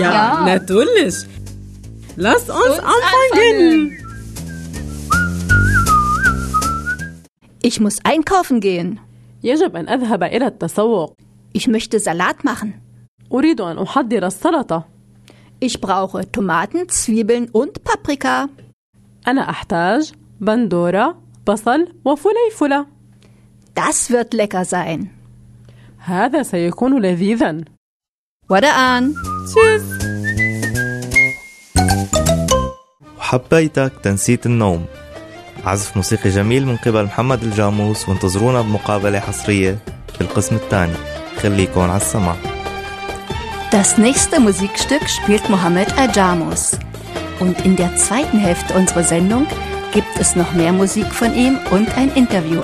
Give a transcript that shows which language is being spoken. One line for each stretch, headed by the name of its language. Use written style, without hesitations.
German: ja, natürlich. Lasst uns anfangen! Ich muss einkaufen gehen.
Arabic: يجب أن أذهب إلى التسوق.
German: Ich möchte Salat machen.
Arabic: أريد أن أحضر السلطة.
German: Ich brauche Tomaten, Zwiebeln und Paprika.
Arabic: أنا أحتاج بندورة, بصل وفليفلة.
German: Das wird lecker sein.
Arabic: هذا سيكون لذيذا. ودعان.
German: Tschüss.
Arabic: حبيتك تنسيت النوم. عزف موسيقي جميل من قبل محمد الجاموس وانتظرونا بمقابلة حصرية في القسم الثاني. خليكن على السمع.
German: Das nächste Musikstück spielt Mohammed Al-Jamus. Und in der zweiten Hälfte unserer Sendung gibt es noch mehr Musik von ihm und ein Interview.